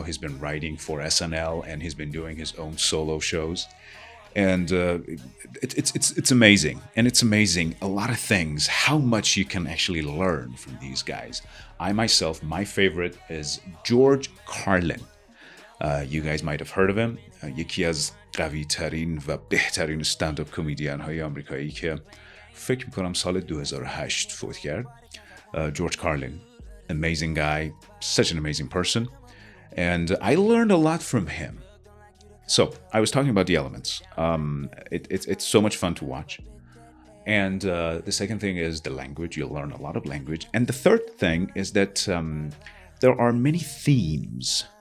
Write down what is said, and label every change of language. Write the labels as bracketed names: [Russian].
[English] He's been writing for SNL and he's been doing his own solo shows. And it's amazing. And it's amazing, a lot of things, how much you can actually learn from these guys. I myself, my favorite is George Carlin. You guys might have heard of him. [Persian] یکی از قوی ترین و بهترین استندآپ کمدین های آمریکایی که فکر میکنم سال 2008 فوت کرد. [English] George Carlin, amazing guy, such an amazing person. And I learned a lot from him. So, I was talking about the elements. It's so much fun to watch. And the second thing is the language. You'll learn a lot of language. And the third thing is that there are many themes.